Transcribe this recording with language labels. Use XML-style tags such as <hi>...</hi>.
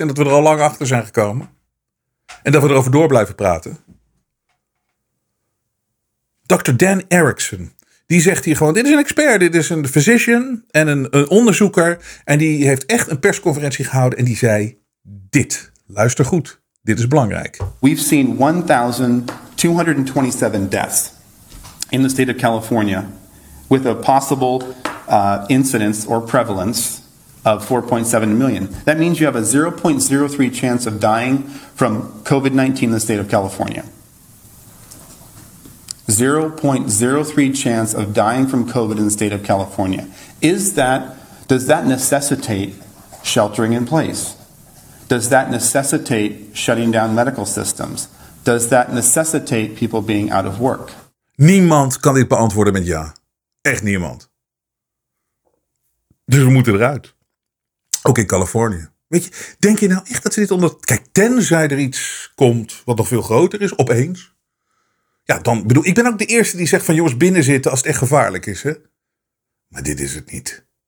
<nl>En dat we er al lang achter zijn gekomen. En dat we erover door blijven praten. Dr. Dan Erickson. Die zegt hier gewoon, dit is een expert, dit is een physician en een onderzoeker. En die heeft echt een persconferentie gehouden en die zei dit. Luister goed, dit is belangrijk.</nl> <en>We've seen 1,227 deaths in the state of California with a possible incidence or prevalence of 4.7 million. That means you have a 0.03 chance of dying from COVID-19 in the state of California. 0.03 chance of dying from COVID in the state of California. Does that necessitate sheltering in place? Does that necessitate shutting down medical systems? Does that necessitate people being out of work?</en> <nl>Niemand kan dit beantwoorden met ja. Echt niemand. Dus we moeten eruit. Ook in Californië. Weet je, denk je nou echt dat ze dit onder... Kijk, tenzij er iets komt wat nog veel groter is, opeens. Ja, dan bedoel ik, ben ook de eerste die zegt van jongens, binnen zitten als het echt gevaarlijk is, hè? Maar dit is het niet.</nl>